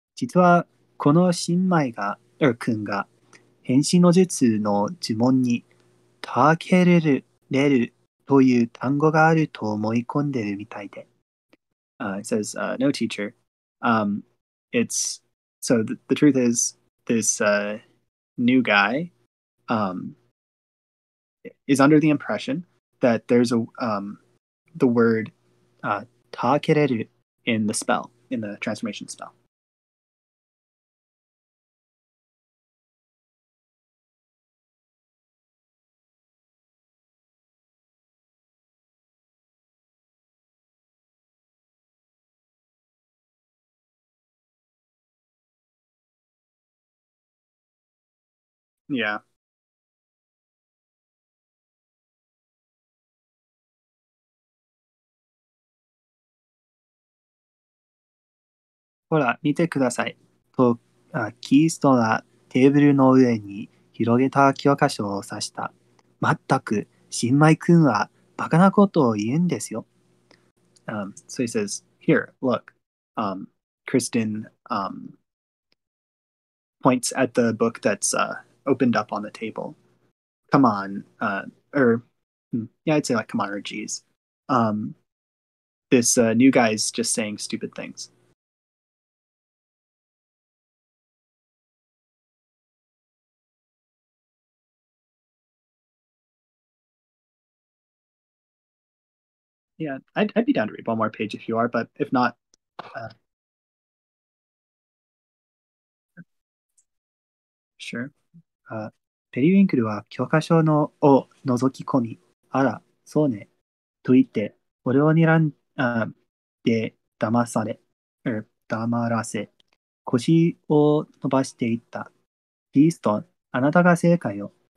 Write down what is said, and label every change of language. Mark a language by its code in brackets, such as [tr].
[ja] 実はこの新米が、くんが変身の術の呪文にたけれる、れるという単語があると思い込んでるみたいで。 [en] It says, no teacher. The truth is, this new guy is under the impression that there's the word takereru in the spell, in the transformation spell. Yeah. [ja] ほら、見てください。と、キーストがテーブルの上に広げた教科書を指した。まったく、新米くんはバカなことを言うんですよ。 [en] So he says, here, look. Kristen, points at the book that's, opened up on the table. Come on, I'd say like come on or geez. This new guy's just saying stupid things. Yeah, I'd be down to read one more page if you are, but if not, sure. [ja] ペリウィンクルは教科書のを覗き込み、あら、そうね、と言って、俺を睨んで騙され、黙らせ、腰を伸ばしていった。ビーストン、あなたが正解よ。